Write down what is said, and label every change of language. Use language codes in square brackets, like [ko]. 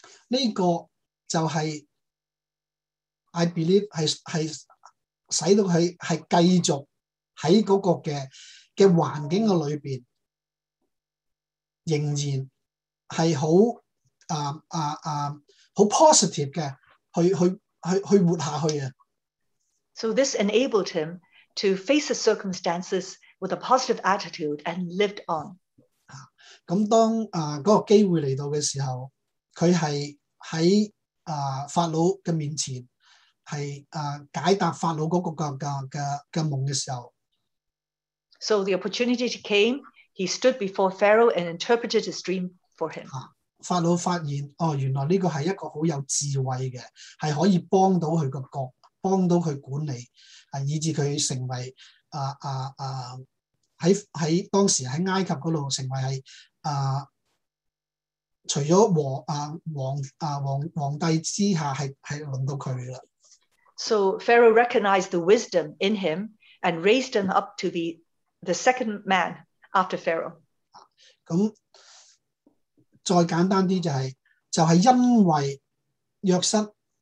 [zh] 这个就是, [en] I believe [zh] 使到他继续在那个环境里面 仍然是很positive的去活下去的。 [en] So this enabled him to face the circumstances with a positive attitude and lived on. [zh] 那当那个机会来到的时候, 他是在法老的面前, 是解答法老那个梦的时候。 [en] So the opportunity came, he stood before Pharaoh and interpreted his dream for him. [zh] 法老发现, 哦, 原来这个是一个很有智慧的, 是可以帮到他的国。帮到他管理，以致他成为在当时在埃及那里成为除了皇帝之下，是轮到他了。 [en] Pharaoh recognized the wisdom in him and raised him up to the second man after Pharaoh. [zh] 再简单一点就是因为约瑟。